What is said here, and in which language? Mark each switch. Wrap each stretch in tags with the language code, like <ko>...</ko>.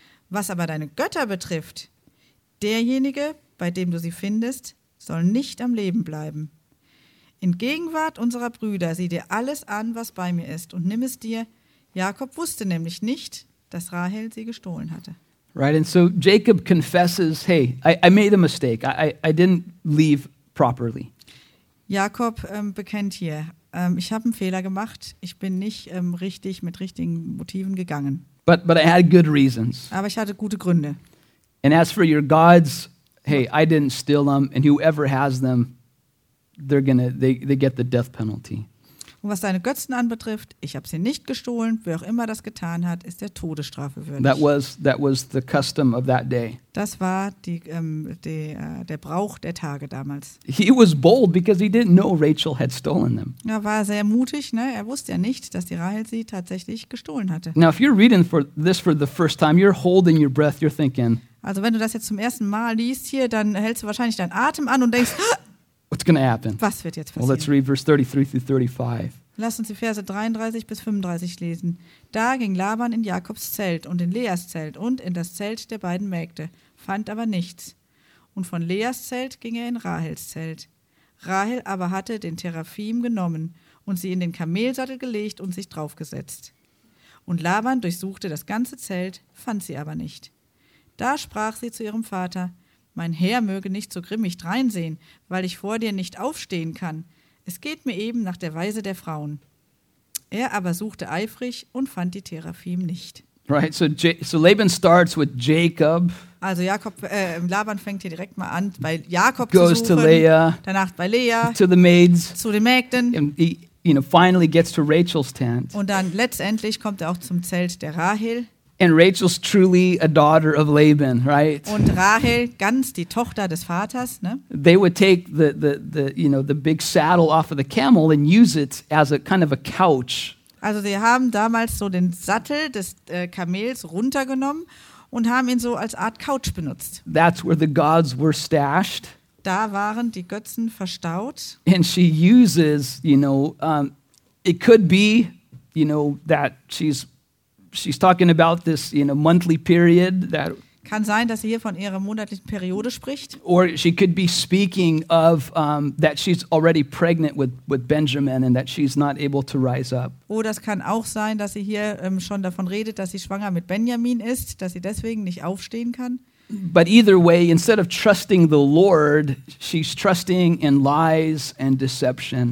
<de>Was aber deine Götter betrifft, derjenige, bei dem du sie findest, soll nicht am Leben bleiben. In Gegenwart unserer Brüder sieh dir alles an, was bei mir ist, und nimm es dir." Jakob wusste nämlich nicht, dass Rahel sie gestohlen hatte.</de> <en>Right, and so Jacob confesses, "Hey, I made a mistake. I didn't leave properly."</en> <de>Jakob bekennt hier, ich habe einen Fehler gemacht. Ich bin nicht richtig mit richtigen Motiven gegangen.</de> <en>But I had good reasons.</en> <de>Aber ich hatte gute Gründe.</de> <en>And as for your gods, hey, I didn't steal them, and whoever has them, they get the death penalty.</en> <de>Und was deine Götzen anbetrifft, ich habe sie nicht gestohlen. Wer auch immer das getan hat, ist der Todesstrafe würdig.</de> <en>That was the custom of that day.</en> <de>Das war der Brauch der Tage damals.</de> <en>He was bold because he didn't know Rachel had stolen them.</en> <de>Ja, war sehr mutig, ne? Er wusste ja nicht, dass die Rahel sie tatsächlich gestohlen hatte.</de> <en>Now, if you're reading for this for the first time, you're holding your breath. You're thinking.</en> <de>Also wenn du das jetzt zum ersten Mal liest hier, dann hältst du wahrscheinlich deinen Atem an und denkst.</de> <en>What's going to happen?</en> <de>Was wird jetzt passieren?</de> <en>Well, let's read verse 33 through 35.</en> <de>Lass uns die Verse 33 bis 35 lesen. Da ging Laban in Jakobs Zelt und in Leas Zelt und in das Zelt der beiden Mägde, fand aber nichts. Und von Leas Zelt ging er in Rahels Zelt. Rahel aber hatte den Teraphim genommen und sie in den Kamelsattel gelegt und sich draufgesetzt. Und Laban durchsuchte das ganze Zelt, fand sie aber nicht. Da sprach sie zu ihrem Vater: Mein Herr möge nicht so grimmig dreinsehen, weil ich vor dir nicht aufstehen kann. Es geht mir eben nach der Weise der Frauen. Er aber suchte eifrig und fand die Teraphim nicht.</de> <en>Right, so Laban starts with Jacob.</en> <de>Also Jakob, Laban fängt hier direkt mal an, bei Jakob</de> <en>goes</en> <de>zu suchen.</de> <en>To Leah,</en> <de>danach bei Leah.</de> <en>To the maids.</en> <de>Zu den Mägden.</de> <en>And he, you know, finally gets to Rachel's tent.</en> <de>Und dann letztendlich kommt er auch zum Zelt der Rahel.</de> <en>And Rachel's truly a daughter of Laban, right?</en> <de>Und Rahel, ganz die Tochter des Vaters, ne?</de> <en>They would take the big saddle off of the camel and use it as a kind of a couch.</en> <de>Also sie haben damals so den Sattel des Kamels runtergenommen und haben ihn so als Art Couch benutzt.</de> <en>That's where the gods were stashed.</en> <de>Da waren die Götzen verstaut.</de> <en>And she uses, you know, it could be, you know, that she's talking about this, you know, monthly period that.</en> <de>Kann sein, dass sie hier von ihrer monatlichen Periode spricht.</de> <en>Or she could be speaking of that she's already pregnant with Benjamin and that she's not able to rise up.</en> <de>Oder es kann auch sein, dass sie hier schon davon redet, dass sie schwanger mit Benjamin ist, dass sie deswegen nicht aufstehen kann.</de> <en>But either way, instead of trusting the Lord, she's trusting in lies and deception.</en>